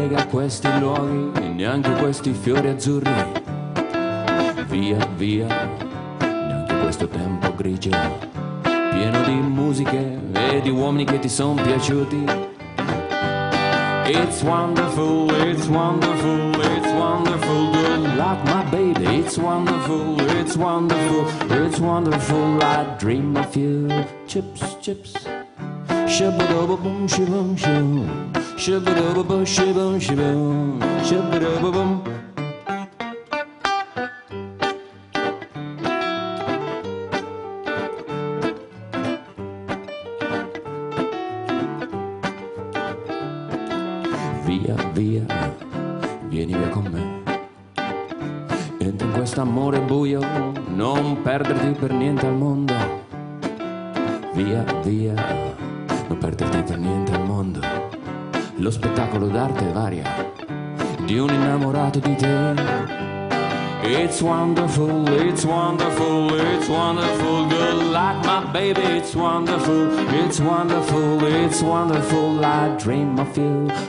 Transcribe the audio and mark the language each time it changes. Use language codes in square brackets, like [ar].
[it] questi luoghi e neanche questi fiori azzurri. Via, via, neanche questo tempo grigio, pieno di musiche e di uomini che ti son piaciuti. [en] It's wonderful, it's wonderful, it's wonderful, good luck my baby. It's wonderful, it's wonderful, it's wonderful, I dream of you. Chips, chips, shibba-dubba-bum, shibba-shibba-shibba, shibba-dubba-bum, shibba-shibba-shibba, shibba-dubba-bum. [it] Via, via, vieni via con me. Entra in questo amore buio, non perderti per niente al mondo. Via, via, non perderti per niente al mondo. Lo spettacolo d'arte varia di un innamorato di te. [en] It's wonderful, it's wonderful, it's wonderful, good luck my baby. It's wonderful, it's wonderful, it's wonderful, I dream of you.